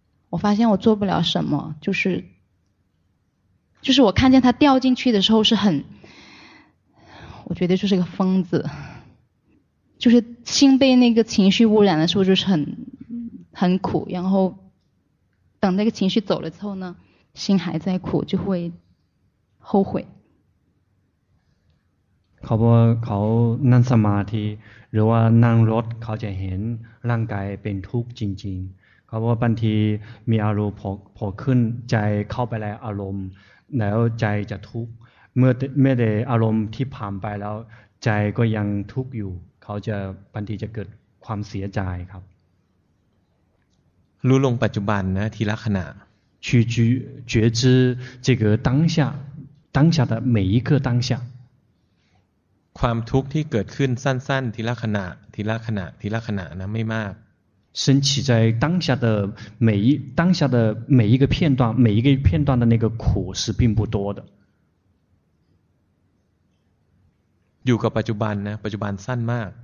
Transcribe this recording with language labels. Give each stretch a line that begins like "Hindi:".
Chinese: 我发现我做不了什么，就是我看见他掉进去的时候是很，我觉得就是个疯子，就是心被那个情绪污染的时候就是很苦，然后等那个情绪走了之后呢，心还在苦，就会后悔。
Thai: เขาบอกเขานั่งสมาธิหรือว่านั่งรถเขาจะเห็นร่างกายเป็นทุกข์จริงๆเขาบอกบางทีมีอารมณ์พอขึ้นใจเข้าไปแล้วอารมณ์แล้วใจจะทุกข์เมื่อได้อารมณ์ที่ผ่านไปแล้วใจก็ยังทุกข์อยู่เขาจะบางทีจะเกิดความเสียใจครับ รู้ลงปัจจุบันนะทีละขณะ
Chinese: 去觉知这个当下的每一个当下
Thai: ความทุกข์ที่เกิดขึ้นสั้นๆทีละขณะทีละขณะทีละขณะนะไม่มาก
Chinese: 升起在当下的每一个片段每一个片段的那个苦是并不多的
Thai: อยู่กับปัจจุบันนะปัจจุบันสั้นมาก